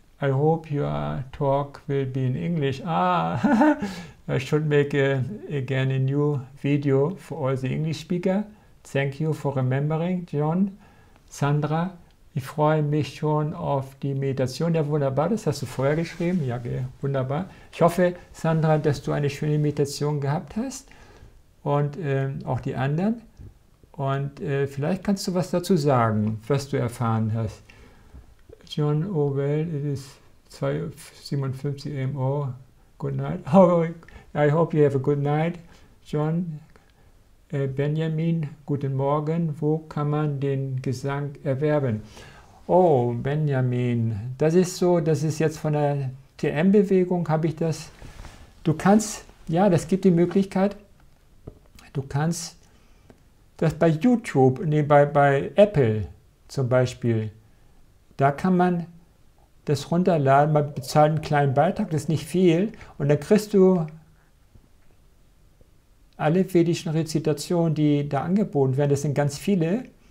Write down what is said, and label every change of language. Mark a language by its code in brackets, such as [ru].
[en] I hope your talk will be in English. Ah, I should make again a new video for all the English speaker. Thank you for remembering, John. [de] Sandra, ich freue mich schon auf die Meditation. Ja, wunderbar, das hast du vorher geschrieben. Ja, wunderbar. Ich hoffe, Sandra, dass du eine schöne Meditation gehabt hast und auch die anderen. Und vielleicht kannst du was dazu sagen, was du erfahren hast. [en] John Orwell, it is 2:57 AM. Oh, good night. Oh, I hope you have a good night, John. [de] Benjamin, guten Morgen. Wo kann man den Gesang erwerben? Oh, Benjamin, das ist so, das ist jetzt von der TM-Bewegung, habe ich das. Du kannst, ja, das gibt die Möglichkeit, du kannst das bei YouTube, nee, bei Apple zum Beispiel, da kann man das runterladen, man bezahlt einen kleinen Beitrag, das ist nicht viel, und dann kriegst du alle vedischen Rezitationen, die da angeboten werden, das sind ganz viele.